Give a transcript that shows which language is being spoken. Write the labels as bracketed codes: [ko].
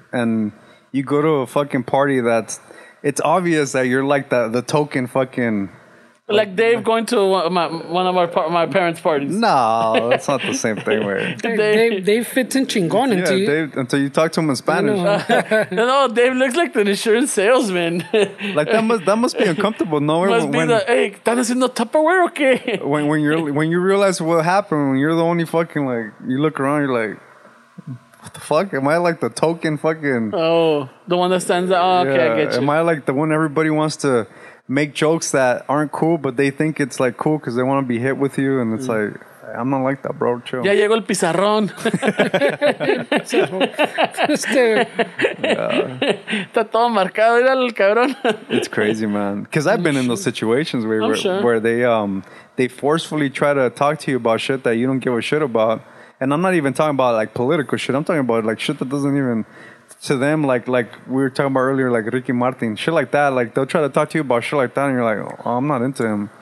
[en] And you go to a fucking party that's... It's obvious that you're, like, the token fucking... Like Dave going to one of my parents' parties. No, it's not the same thing. Where Dave fits in chingón into you. Dave, until you talk to him in Spanish. No, Dave looks like the insurance salesman. Like that must be uncomfortable. No, [es] ¿están haciendo Tupperware o qué? [en] When you realize what happened, when you're the only fucking like, you look around, you're like, what the fuck? Am I like the token fucking? Oh, the one that stands out. Oh, okay, yeah. I get you. Am I like the one everybody wants to? Make jokes that aren't cool, but they think it's like cool because they want to be hit with you. And it's like, I'm not like that, bro, too. [es] Ya llegó el pizarrón. Está todo marcado, mira el cabrón. [en] It's crazy, man. Because I've been in those situations where they forcefully try to talk to you about shit that you don't give a shit about. And I'm not even talking about, like, political shit. I'm talking about, like, shit that doesn't even... To them, like we were talking about earlier, like Ricky Martin, shit like that. Like, they'll try to talk to you about shit like that, and you're like, oh, I'm not into him.